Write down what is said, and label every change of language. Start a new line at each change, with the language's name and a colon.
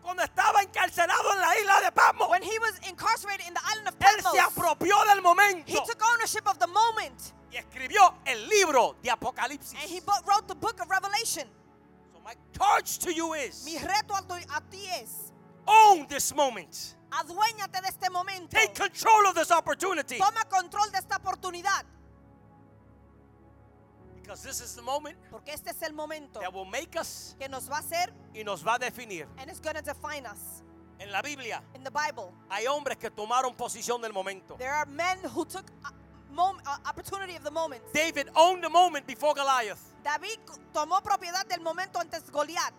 Spanish: Cuando estaba encarcelado en la isla de Patmos.
English: When he was incarcerated in the island of Patmos.
Spanish: Él se apropió del momento.
English: He took ownership of the moment.
Spanish: Y escribió el libro de Apocalipsis.
English: And he wrote the book of Revelation. So my charge to you is.
Spanish: Mi reto a ti es.
English: Own this moment.
Spanish: Aduéñate de este momento.
English: Take control of this opportunity.
Spanish: Toma control de esta oportunidad.
English: Because this is the moment.
Spanish: Porque este es el momento.
English: That will make us.
Spanish: Que nos va a hacer. Y nos va a definir.
English: And it's going to define us.
Spanish: En la Biblia.
English: In the Bible.
Spanish: Hay hombres que tomaron posición del momento.
English: There are men who took opportunity of the moment. David owned the moment before Goliath.
Spanish: David tomó propiedad del momento antes de Goliat.